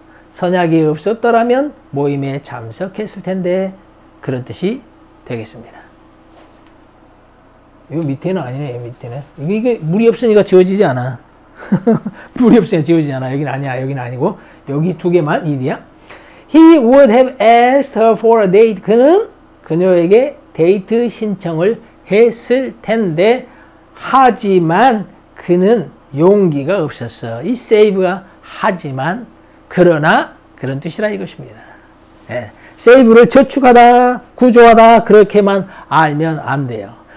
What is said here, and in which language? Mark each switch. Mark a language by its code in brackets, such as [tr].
[ko] 선약이 없었더라면 모임에 참석했을 텐데 그런 뜻이 되겠습니다. 이거 밑에는 아니네, 이 밑에는. 이게 물이 없으니까 지워지지 않아. 물이 없으니까 지워지지 않아. 여긴 아니야, 여긴 아니고. 여기 두 개만 이디야. [en] He would have asked her for a date. [ko] 그는 그녀에게 데이트 신청을 했을 텐데 하지만 그는 용기가 없었어. 이 save가 하지만 그러나 그런 뜻이라 이것입니다. 네. save를 저축하다, 구조하다 그렇게만 알면 안 돼요.